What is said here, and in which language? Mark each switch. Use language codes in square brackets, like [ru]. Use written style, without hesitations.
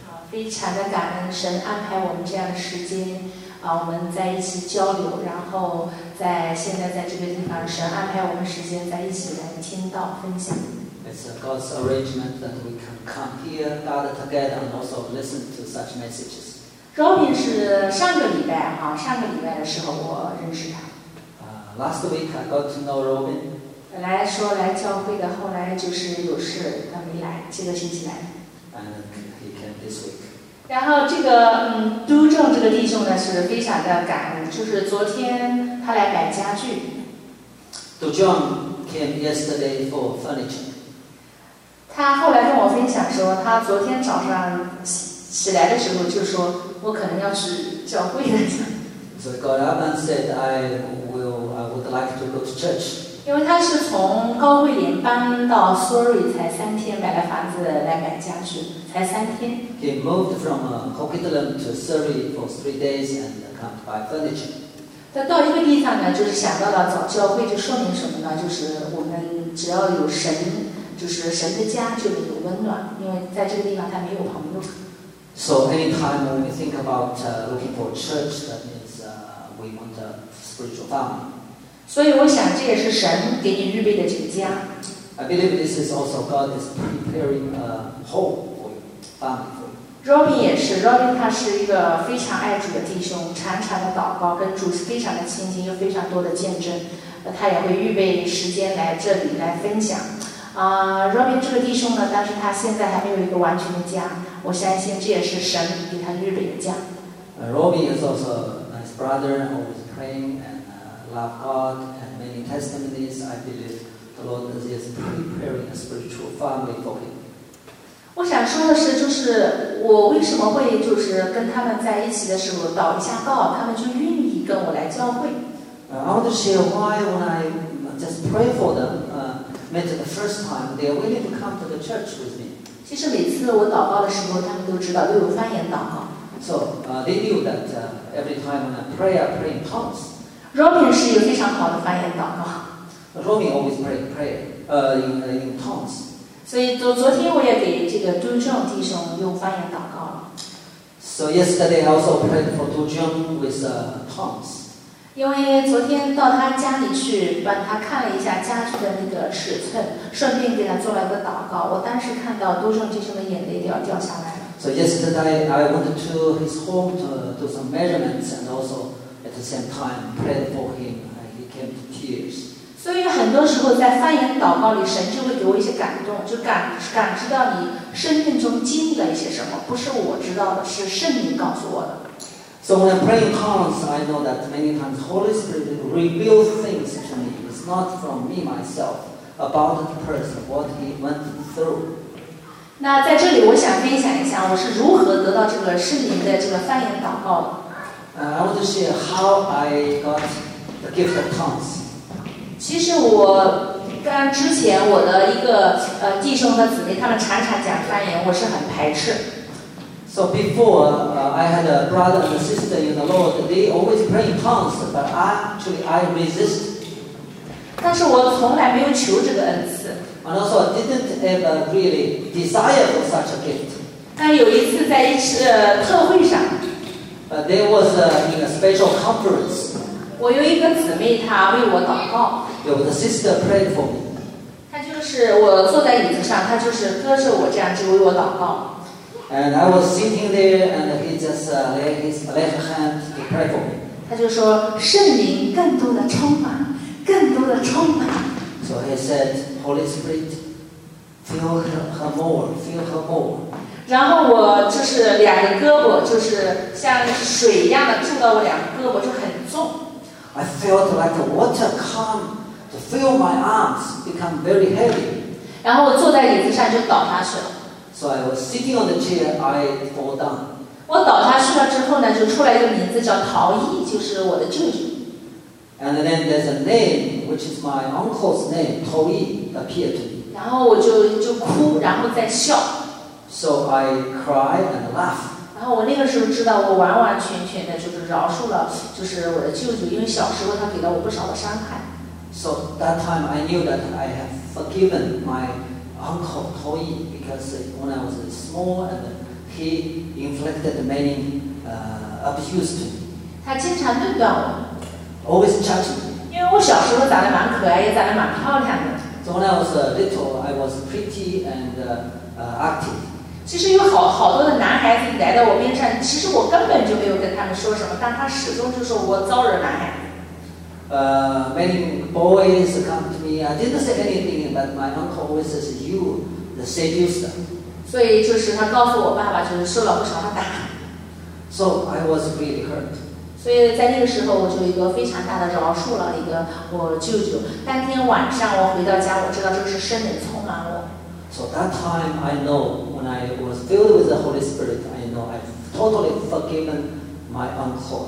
[zh] 非常的感恩神安排我们这样的时间，我们在一起交流，然后在现在在这个地方，神安排我们时间在一起来听到分享。 [en] It's God's arrangement that we can come here, gather together, and also listen to such messages. [zh] Robin 是上个礼拜哈，上个礼拜的时候我认识他。 [en] Last week I got to know Robin. [zh] 本来说来教会的，后来就是有事他没来，这个星期来。 [en] And he came this week. [zh] 然后这个都正这个弟兄呢是非常的感恩，就是昨天他来摆家具。 [en] Do John came yesterday for furniture. [zh] 他后来跟我分享说，他昨天早上 起来的时候就说，我可能要去教会了。 [en] So God up and said, I would like to go to church. [zh] 因为他是从高贵林搬到 Surrey 才三天，买了房子来买家具，才三天。 [en] He moved from Coquitlam to Surrey for 3 days and come to buy furniture. [zh] 他到一个地方呢，就是想到了找教会，就说明什么呢？就是我们只要有神。就是神的家就有温暖，因为在这个地方他没有朋友。 [en] So anytime when we think about looking for church, that means we want a spiritual family. [zh] 所以我想这也是神给你预备的这个家。 [en] I believe this is also God is preparing a home for you, family for you. [zh] Robin 也是 ，Robin 他是一个非常爱主的弟兄，常常的祷告，跟主是非常的亲近，又非常多的见证。他也会预备时间来这里来分享。Robin 这个弟兄呢，但是他现在还没有一个完全的家，我相信这也是神给他预备的家。 [en] Robin is also a nice brother who is praying and love God and many testimonies. I believe the Lord is preparing a spiritual family for him. [zh] 我想说的是，就是我为什么会就是跟他们在一起的时候祷一下告，他们就愿意跟我来教会。 [en] I want to share why when I just pray for them. Met the first time, they are willing to come to the church with me. [zh] 其实每次我祷告的时候，他们都知道，都有方言祷告。 [en] So, they knew that every time when I pray in tongues. [zh] Robin 是一个非常好的方言祷告。 [en] Robin always pray in tongues. [zh] 所以昨天我也给这个杜正弟兄用方言祷告了。 [en] So yesterday I also prayed for Du Jun with tongues. [zh] 因为昨天到他家里去帮他看了一下家具的那个尺寸，顺便给他做了个祷告，我当时看到都正弟兄的眼泪都要掉下来了。 [en] So yesterday I went to his home to do some measurements and also at the same time prayed for him and he came to tears. [zh] 所以很多时候在方言祷告里神就会给我一些感动，就 感知到你生命中经历了一些什么，不是我知道的，是圣灵告诉我的。 [en] So when I pray in tongues, I know that many times Holy Spirit reveals things to me. It's not from me myself about the person what he went through. [zh] 那在这里我想分享一下我是如何得到这个圣灵的这个方言祷告的。 [en] I want to share how I got the gift of tongues. [zh] 其实我刚之前我的一个弟兄和姊妹他们常常讲方言，我是很排斥。 [en] So before, I had a brother and a sister in the Lord. They always pray in tongues, but I resist. [zh] 但是我从来没有求这个恩赐。 [en] And also, I didn't ever really desire for such a gift. [zh] 但有一次在一次特会上。 [en] There was in a special conference. [zh] 我有一个姊妹，她为我祷告。有个 [en] sister prayed for me. [zh] 她就是我坐在椅子上，她就是搁着我这样就为我祷告。 [en] And I was sitting there, and he just laid his left hand to pray for me. [zh] 他就说圣灵更多的充满，更多的充满。 [en] So he said, Holy Spirit, fill her more, fill her more. [zh] 然后我就是两个胳膊就是像水一样的注到我两个胳膊就很重。 [en] I felt like water come to fill my arms, become very heavy. [zh] 然后我坐在椅子上就倒下去了。 [en] So I was sitting on the chair, I fall down. [zh] 我倒下去了之后呢，就出来一个名字叫陶艺，就是我的舅舅。 [en] And then there's a name, which is my uncle's name, 陶艺 appeared to me. [zh] 然后我就哭，然后再笑。 [en] So I cried and laughed. [zh] 然后我那个时候知道，我完完全全的就是饶恕了，就是我的舅舅，因为小时候他给了我不少的伤害。 [en] So that time I knew that I have forgiven my. Uncle Toy, because when I was small, and he inflicted many abuse to me. [zh] 他经常论断我。 [en] Always judging me. [zh] 为我小时候长得蛮可爱，也长得蛮漂亮的。 [en] So when I was little, I was pretty and active. [zh] 其实有好多的男孩子来到我边上，其实我根本就没有跟他们说什么，但他始终就说我招惹男孩子。 [en] Many boys come to me. I didn't say anything, but my uncle always says, "You, the seducer." [zh] 所以就是他告诉我爸爸，就是受了不少的打。 [en] So I was really hurt. [zh] 所以在那个时候，我就一个非常大的饶恕了一个我舅舅。当天晚上我回到家，我知道这是圣灵充满我。 [en] So that time I know when I was filled with the Holy Spirit, I know I totally forgiven my uncle.